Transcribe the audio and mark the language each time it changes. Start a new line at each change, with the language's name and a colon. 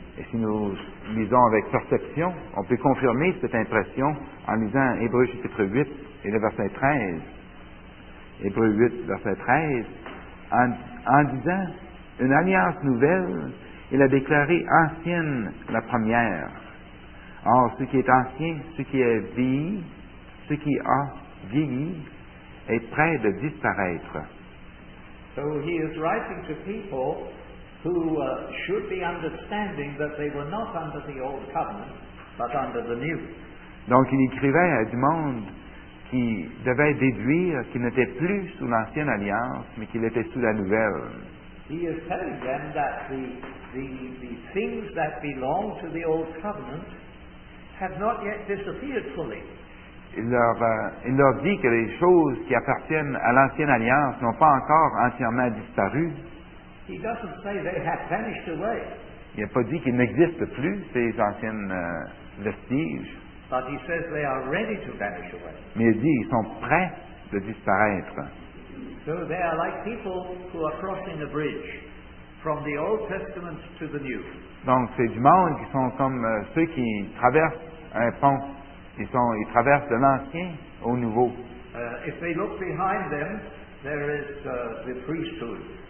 French: Et si nous lisons avec perception, on peut confirmer cette impression en lisant Hébreux chapitre 8 et le verset 13. Hébreux 8, verset 13, en disant une alliance nouvelle, il a déclaré ancienne la première. Or, ce qui est ancien, ce qui est vieilli, ce qui a vieilli, est prêt de disparaître.
English: So he is writing to people who should be understanding that they were not under the old covenant, but under the new.
French: Donc il écrivait à du monde qui devait déduire qu'il n'était plus sous l'ancienne alliance, mais qu'il était sous la nouvelle.
English: He is telling them that the things that belong to the old covenant have not yet disappeared fully.
French: Il leur dit que les choses qui appartiennent à l'ancienne alliance n'ont pas encore entièrement disparu.
English: He doesn't say they have vanished away.
French: Il n'a pas dit qu'ils n'existent plus, ces anciennes vestiges.
English: But he says they are ready to vanish away.
French: Mais il dit qu'ils sont prêts de disparaître.
English: So they are like people who are crossing a bridge from the Old Testament to the New.
French: Donc c'est du monde qui sont comme ceux qui traversent un pont. Ils traversent de l'ancien au nouveau.
English: If they look behind them, there is the priesthood.